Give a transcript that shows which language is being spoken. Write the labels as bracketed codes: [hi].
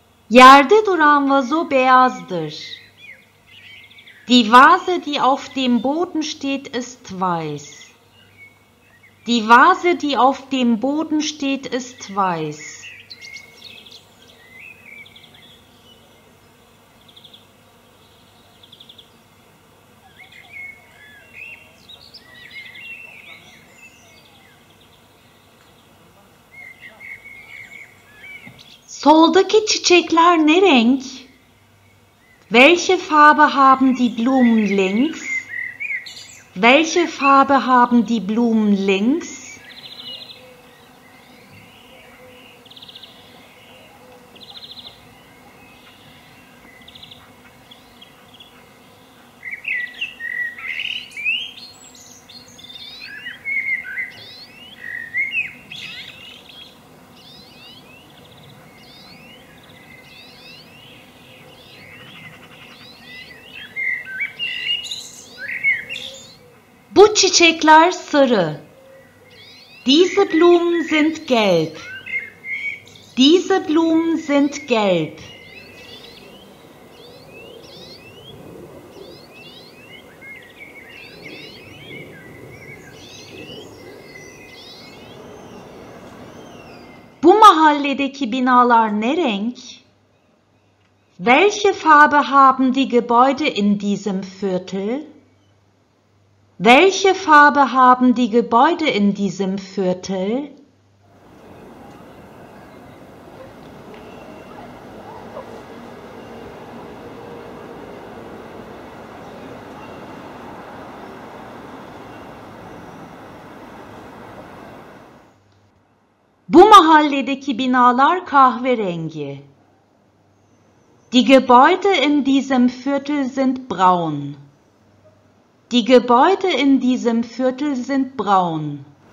[tr] Yerde duran vazo beyazdır. [de] Die Vase, die auf dem Boden steht, ist weiß. Die Vase, die auf dem Boden steht, ist weiß. [tr] Soldaki çiçekler ne renk? [de] Welche Farbe haben die Blumen links? Welche Farbe haben die Blumen links? [tr] Bu çiçekler sarı. [de] Diese Blumen sind gelb. Diese Blumen sind gelb. [tr] Bu mahalledeki binalar ne renk? [de] Welche Farbe haben die Gebäude in diesem Viertel? Welche Farbe haben die Gebäude in diesem Viertel? [tr] Bu mahalledeki binalar kahverengi. [de] Die Gebäude in diesem Viertel sind braun. Die Gebäude in diesem Viertel sind braun.